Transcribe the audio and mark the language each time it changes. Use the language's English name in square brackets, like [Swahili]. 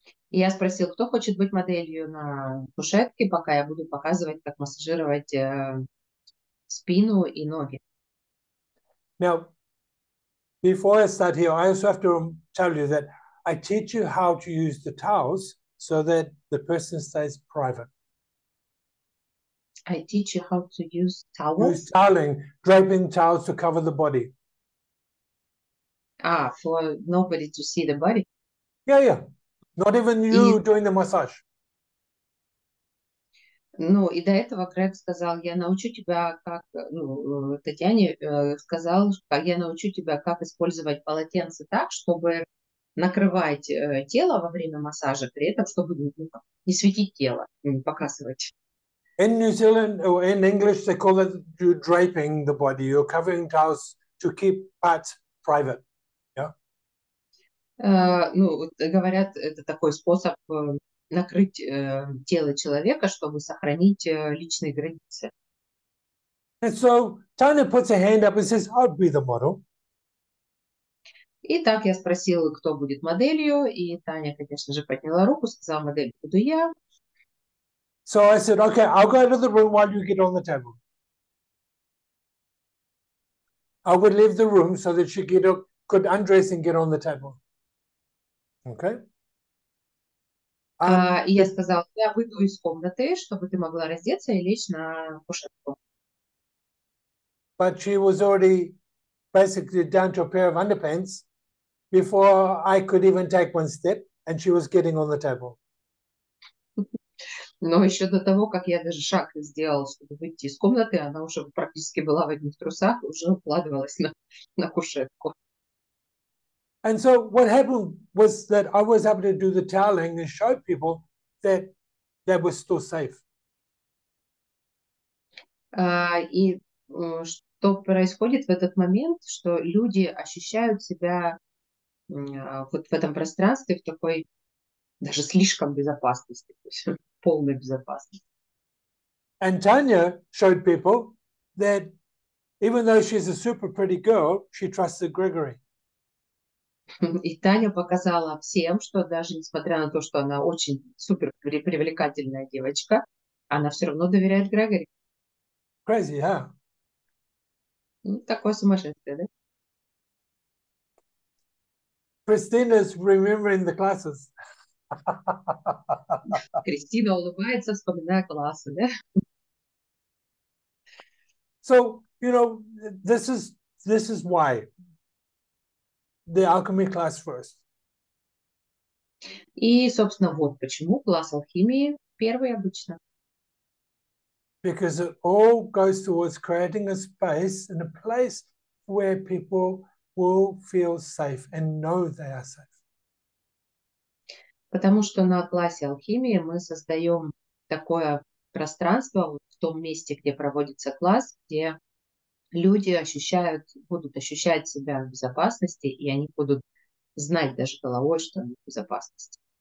[Russian] И я спросил, кто хочет быть моделью на кушетке, пока я буду показывать, как массажировать спину и ноги. [English] Now, before I start here, I also have to tell you that I teach you how to use the towels so that the person stays private. I teach you how to use towels. Use toweling, draping towels to cover the body. Ah, for nobody to see the body. Yeah, yeah. Not even you doing the massage. [Russian] Ну, и до этого Грег сказал, я научу тебя, как, ну, Татьяне сказал, я научу тебя, как использовать полотенце так, чтобы накрывать тело во время массажа, при этом, чтобы не светить тело, не показывать. [English] In New Zealand, or in English, they call it you're draping the body, you're covering towels to keep parts private, yeah? [Russian] Ну, говорят, это такой способ накрыть тело человека, чтобы сохранить личные границы. [English] And so Tanya puts a hand up and says, I'll be the model. [Russian] И так я спросила, кто будет моделью, и Таня, конечно же, подняла руку, сказала, модель буду я. [English] So I said, okay, I'll go to the room while you get on the table. I would leave the room so that she could undress and get on the table. Okay? [Russian] И я сказал, я выйду из комнаты, чтобы ты могла раздеться и лечь на кушетку. [English] But she was already basically down to a pair of underpants before I could even take one step, and she was getting on the table. [Russian] Но еще до того, как я даже шаг сделала, чтобы выйти из комнаты, она уже практически была в одних трусах, уже укладывалась на кушетку. [English] And so what happened was that I was able to do the toweling and show people that they were still safe. [Russian] И что происходит в этот момент, что люди ощущают себя вот в этом пространстве, в такой даже слишком безопасности, то есть полной безопасности. [English] And Tanya showed people that even though she's a super pretty girl, she trusted Gregory. [Russian] И Таня показала всем, что даже несмотря на то, что она очень супер привлекательная девочка, она все равно доверяет Грегори. [English] Crazy, huh? [Russian] Ну, такое сумасшествие, да? [English] Christina's remembering the classes. [Russian] Кристина улыбается, вспоминая классы, да? [English] So, you know, this is why. The alchemy class first. [Russian] И, собственно, вот почему класс алхимии первый обычно. [English] Because it all goes towards creating a space and a place where people will feel safe and know they are safe. [Russian] Потому что на классе алхимии мы создаем такое пространство в том месте, где проводится класс, где люди ощущают, будут ощущать себя в безопасности, и они будут знать даже головой, что они в безопасности.